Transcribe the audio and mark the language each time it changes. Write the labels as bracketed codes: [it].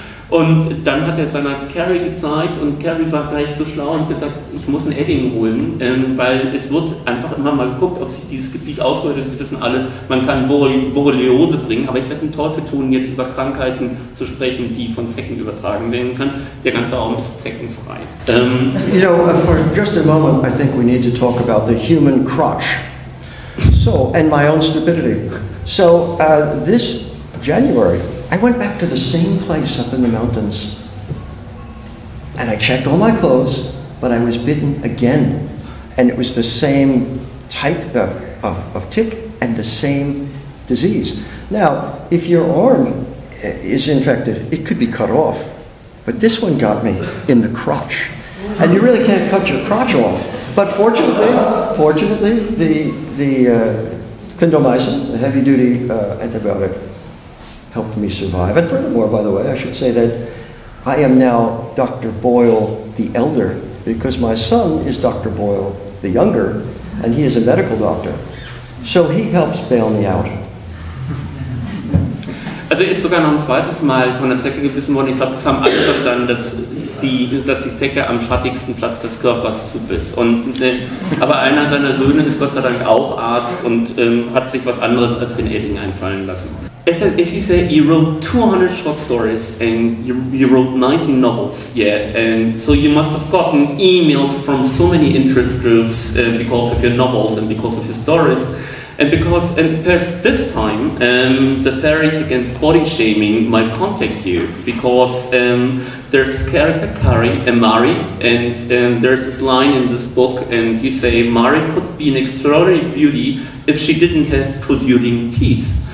[de] Und dann hat er seiner Carrie gezeigt und Carrie war gleich so schlau und gesagt, ich muss ein Edding holen, weil es wird einfach immer mal geguckt, ob sich dieses Gebiet ausbreitet. Das wissen alle, man kann Borreliose bringen, aber ich werde den Teufel tun, jetzt über Krankheiten zu sprechen, die von Zecken übertragen werden können. Der ganze Raum ist zeckenfrei. [en] You know, for just a moment, I think we need to talk about the human crotch. So, and my own stupidity. So, this January, I went back to the same place up in the mountains and I checked all my clothes, but I was bitten again. And it was the same type of tick and the same disease. Now, if your arm is infected, it could be cut off. But this one got me in the crotch. And you really can't cut your crotch off. But fortunately, the clindamycin, the heavy duty antibiotic, helped me survive. And furthermore, by the way, I should say that I am now Dr. Boyle the Elder, because my son is Dr. Boyle the Younger, and he is a medical doctor. So he helps bail me out. [de] Also er ist sogar noch ein zweites Mal von der Zecke gebissen worden. Ich glaube, das haben alle verstanden, dass die Zecke am schattigsten Platz des Körpers zu biss. Aber einer seiner Söhne ist Gott sei Dank auch Arzt und hat sich was anderes als den Edding einfallen lassen. [en] As you say, you wrote 200 short stories and you wrote 19 novels. Yeah, and so you must have gotten emails from so many interest groups because of your novels and because of your stories. And perhaps this time, the fairies against body shaming might contact you because there's character Carrie and Mari, and there's this line in this book, and you say Mari could be an extraordinary beauty if she didn't have protruding teeth.